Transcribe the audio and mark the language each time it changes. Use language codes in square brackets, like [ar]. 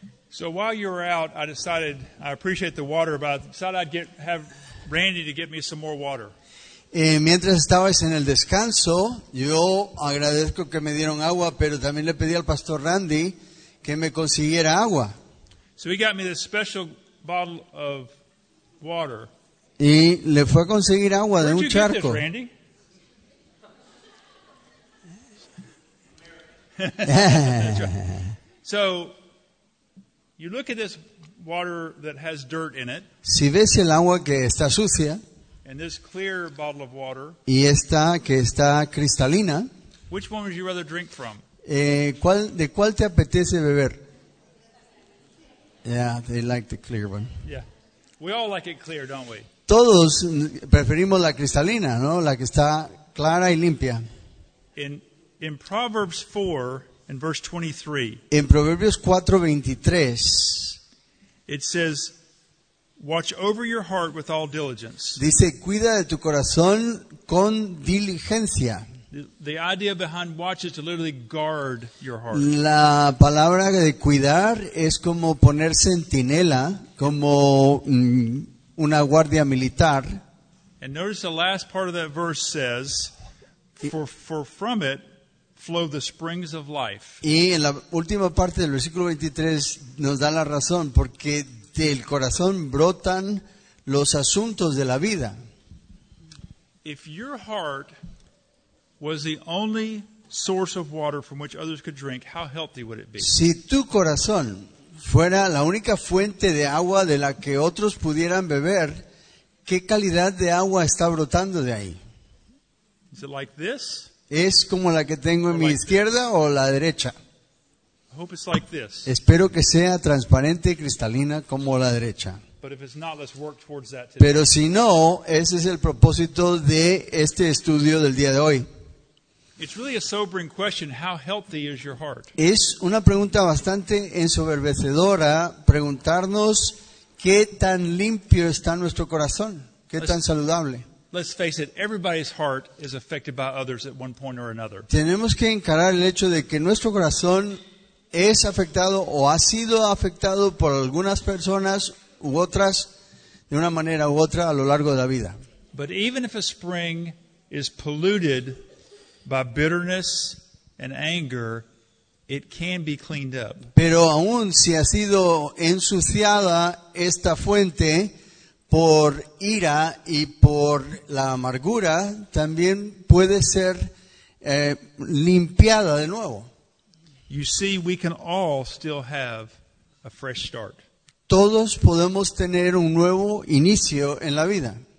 [en] So while you were out, I decided, I appreciate the water, but I decided I'd have Randy to get me some more water. [es] Mientras estabas en el descanso, yo agradezco que me dieron agua, pero también le pedí al pastor Randy que me consiguiera agua. [en] So he got me this special bottle of water. [es] Y le fue a conseguir agua de un charco. [en] Where'd you get this, Randy? So you look at this water that has dirt in it. [es] Si ves el agua que está sucia. [en] And this clear bottle of water. [es] Y esta que está cristalina. [en] Which one would you rather drink from? [es] ¿De cuál te apetece beber? [en] Yeah, they like the clear one. Yeah. We all like it clear, don't we? [es] Todos preferimos la cristalina, ¿no? La que está clara y limpia. [en] In Proverbs 4 and verse 23. [es] En Proverbios 4:23. [en] It says, "Watch over your heart with all diligence." [es] Dice, "Cuida de tu corazón con diligencia." [en] The idea behind watch is to literally guard your heart. [es] La palabra de cuidar es como poner centinela, como una guardia militar. [en] And notice the last part of that verse says, "For from it flow the springs of life." [es] Y en la última parte del versículo 23 nos da la razón, porque del corazón brotan los asuntos de la vida. [en] If your heart was the only source of water from which others could drink, how healthy would it be? [es] Si tu corazón fuera la única fuente de agua de la que otros pudieran beber, ¿qué calidad de agua está brotando de ahí? [en] Is it like this? [es] ¿Es como la que tengo en mi izquierda o la derecha? [en] I hope it's like this. [es] Espero que sea transparente y cristalina como la derecha. [en] But if it's not, let's work towards that today. [es] Pero si no, ese es el propósito de este estudio del día de hoy. [en] It's really a sobering question, how healthy is your heart? [es] Es una pregunta bastante ensoberbecedora preguntarnos qué tan limpio está nuestro corazón, qué tan saludable. [en] Let's face it, everybody's heart is affected by others at one point or another. [es] Tenemos que encarar el hecho de que nuestro corazón es afectado o ha sido afectado por algunas personas u otras de una manera u otra a lo largo de la vida. [en] But even if a spring is polluted by bitterness and anger, it can be cleaned up. [es] Pero aún si ha sido ensuciada esta fuente por ira y por la amargura, también puede ser limpiada de nuevo. [en] You see, we can all still have a fresh start. [es] Todos podemos tener un nuevo inicio en la vida.